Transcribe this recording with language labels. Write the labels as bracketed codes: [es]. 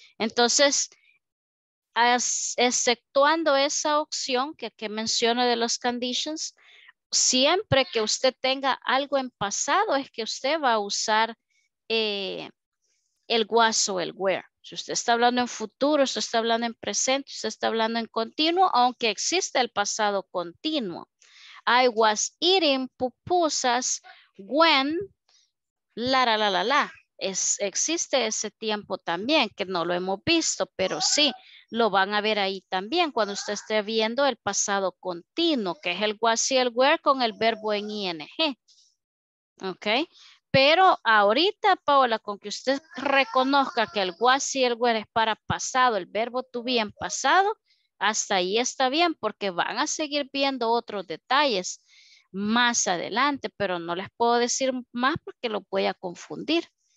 [es] Entonces, exceptuando esa opción que menciono de los conditions, siempre que usted tenga algo en pasado es que usted va a usar el was o el where. Si usted está hablando en futuro, usted está hablando en presente, usted está hablando en continuo, aunque existe el pasado continuo. [en] I was eating pupusas when la la la la la. [es] existe ese tiempo también, que no lo hemos visto, pero sí, lo van a ver ahí también cuando usted esté viendo el pasado continuo, que es el was y el were con el verbo en ing. ¿Ok? Pero ahorita, Paola, con que usted reconozca que el was y el were es para pasado, el verbo to be en pasado, hasta ahí está bien, porque van a seguir viendo otros detalles más adelante, pero no les puedo decir más porque lo voy a confundir.